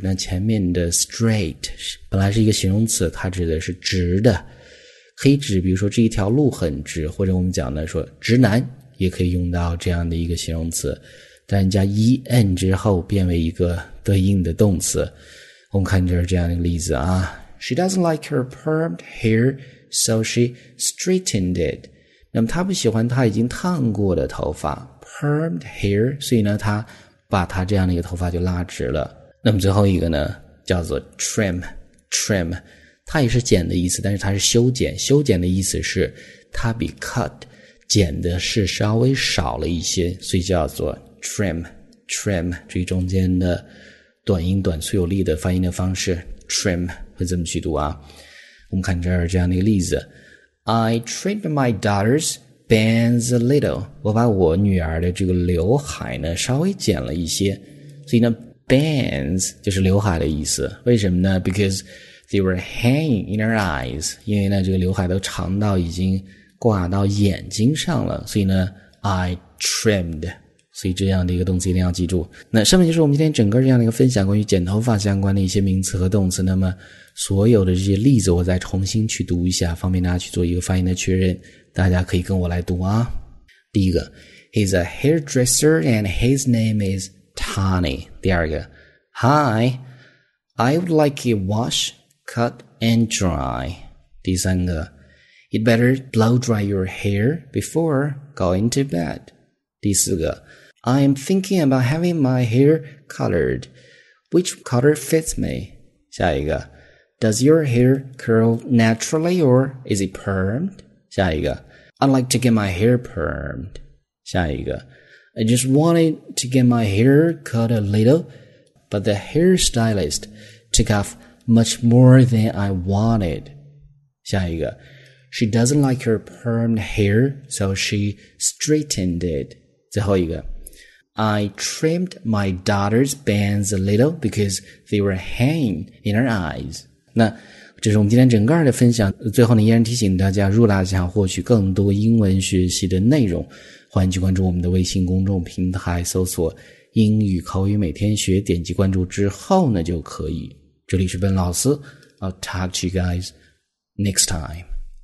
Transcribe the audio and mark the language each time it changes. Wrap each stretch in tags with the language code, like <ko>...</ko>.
<zh>那前面的 straight 本来是一个形容词，它指的是直的，可以指比如说这一条路很直，或者我们讲的说直男也可以用到这样的一个形容词。但加 en 之后变为一个对应的动词。我们看这儿这样的例子啊。</zh> <en>She doesn't like her permed hair, so she straightened it.</en> <zh>那么她不喜欢她已经烫过的头发 permed hair， 所以呢他把他这样的一个头发就拉直了。那么最后一个呢叫做 trim， 它也是剪的意思，但是它是修剪，修剪的意思是它比 cut 剪的是稍微少了一些，所以叫做 trim， 注意中间的短音短粗有力的发音的方式， trim 会这么去读啊。我们看这儿这样的一个例子，</zh> <en>I trimmed my daughter's bangs a little，</en> <zh>我把我女儿的这个刘海呢稍微剪了一些，所以呢bands 就是刘海的意思。为什么呢？</zh> <en>Because they were hanging in her eyes，</en> <zh>因为呢这个刘海都长到已经挂到眼睛上了，所以呢</zh> <en>I trimmed，</en> <zh>所以这样的一个动词一定要记住。那上面就是我们今天整个这样的一个分享，关于剪头发相关的一些名词和动词。那么所有的这些例子我再重新去读一下，方便大家去做一个发音的确认，大家可以跟我来读啊。第一个，</zh> <en>He's a hairdresser and his name isTony.</en> <zh>第二个，</zh> <en>Hi, I would like it wash, cut and dry.</en> <zh>第三个，</zh> <en>You'd better blow dry your hair before going to bed.</en> <zh>第四个，</zh> <en>I'm thinking about having my hair colored. Which color fits me?</en> <zh>下一个，</zh> <en>Does your hair curl naturally or is it permed?</en> <zh>下一个，</zh> <en>I'd like to get my hair permed. 下一个，I just wanted to get my hair cut a little, but the hairstylist took off much more than I wanted.</en> <zh>下一个，</zh> <en>She doesn't like her permed hair, so she straightened it.</en> <zh>最后一个，</zh> <en>I trimmed my daughter's bangs a little because they were hanging in her eyes.</en> <zh>那这是我们今天整个的分享。最后呢，依然提醒大家，如果大家想获取更多英文学习的内容，欢迎去关注我们的微信公众平台，搜索英语口语每天学，点击关注之后呢就可以。这里是Ben老师，</zh> <en>I'll talk to you guys next time.</en>